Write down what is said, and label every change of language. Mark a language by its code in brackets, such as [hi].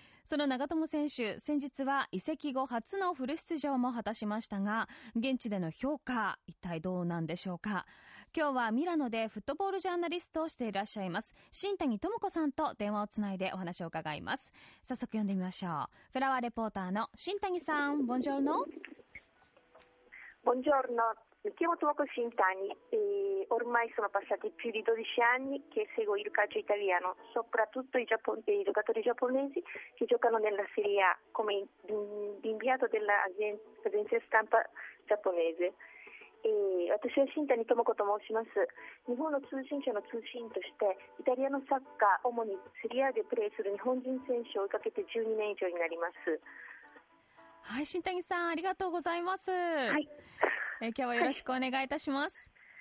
[ja] その長友選手、先日は移籍後初のフル出場も果たしましたが、現地での評価一体どうなんでしょうか。今日はミラノでフットボールジャーナリストをしていらっしゃいます新谷智子さんと電話をつないでお話を伺います。早速呼んでみましょう。フラワーレポーターの新谷さん、ボンジョルノ。ボンジョルノ。 [it] Mi chiamo Tuoco Sintani e ormai sono passati più di 12 anni che seguo il calcio italiano, soprattutto i giocatori giapponesi che giocano nella Serie A come inviato dell'agenzia stampa giapponese. [ja] E 私は新谷智子と申します。日本の通信社の通信として、イタリアのサッカー、主にSerie Aでプレーする日本人選手を追いかけて12年以上になります。はい、新谷さん、ありがとうございます。はい。今日はよろしくお願いいたします。